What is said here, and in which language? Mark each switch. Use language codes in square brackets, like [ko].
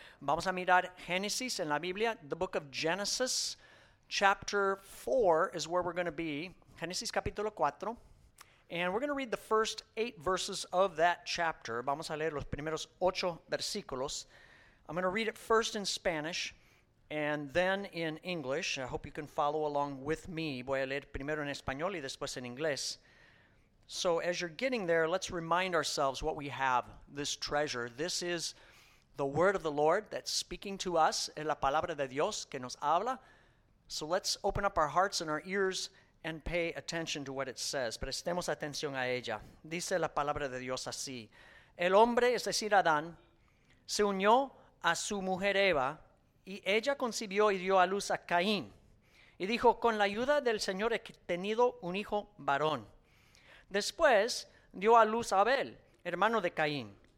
[es] Vamos a mirar Génesis en la Biblia, [en] the book of Genesis, chapter 4 is where we're going to be, [es] Génesis capítulo 4. [en] And we're going to read the first 8 verses of that chapter. [es] Vamos a leer los primeros 8 versículos. [en] I'm going to read it first in Spanish and then in English. I hope you can follow along with me. [es] Voy a leer primero en español y después en inglés. [en] So as you're getting there, let's remind ourselves what we have, this treasure. This is the word of the Lord that's speaking to us. [es] Es la palabra de Dios que nos habla. [en] So let's open up our hearts and our ears and pay attention to what it says. [es] Prestemos atención a ella. Dice la palabra de Dios así. El hombre, es decir, Adán, se unió a su mujer Eva, y ella concibió y dio a luz a Caín. Y dijo, con la ayuda del Señor he tenido un hijo varón. Después dio a luz a Abel, hermano de Caín.